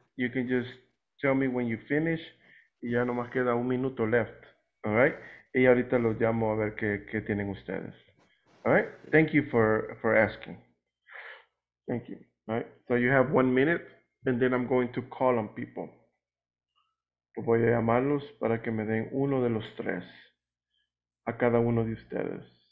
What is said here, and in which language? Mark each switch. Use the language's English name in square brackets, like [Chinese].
[English] You can just tell me when you finish. [Spanish] Y ya nomás queda 1 minuto left. [English] All right? [Spanish] Y ahorita los llamo a ver qué tienen ustedes. [English] All right? Thank you for asking. Thank you. All right? So you have 1 minute, and then I'm going to call on people. [Spanish] Voy a llamarlos para que me den 1 de los 3 a cada uno de ustedes.